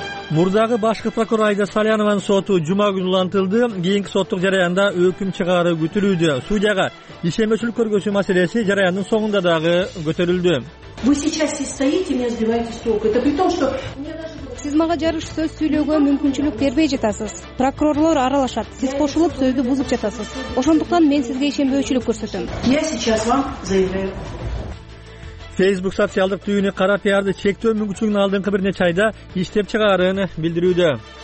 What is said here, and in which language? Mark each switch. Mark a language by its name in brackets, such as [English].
[Kyrgyz] Мурдагы башкы прокурор Айда Салянованын соту жума күнү улантылды. Кийинки соттук жараянда өкүм чыгаруу күтүлүүдө. Судьяга ишенбөөчүлүк көргөзүү маселеси жараяндын соңунда дагы көтөрүлдү. [Russian] Вы сейчас здесь стоите, меня сбиваете с толку. Это при том, что... [Kyrgyz] Сиз мага жарыш сөз сүйлөгө мүмкүнчүлүк бербей жатасыз. Прокурорлор аралашат. Сиз кошулуп сөздү бузуп жатасыз. Ошондуктан мен сизге ишенбөөчүлүк көрсөтөм. [Russian] Я сейчас вам заявляю. [Kyrgyz] Facebook социалдык түйүнү кара пиарды чектөө мүмкүнчүлүгүн алдыңкы бир нече айда иштеп чыгарын билдирүүдө.